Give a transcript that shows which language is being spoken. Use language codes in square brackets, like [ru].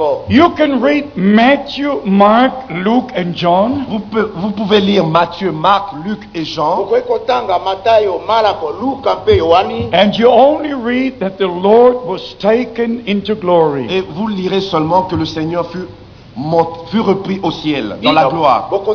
[en] You can read Matthew, Mark, Luke and John. [fr] Vous pouvez lire Matthieu, Marc, Luc et Jean. [en] And you only read that the Lord was taken into glory. [fr] Et vous lirez seulement que le Seigneur fut repris au ciel dans la gloire.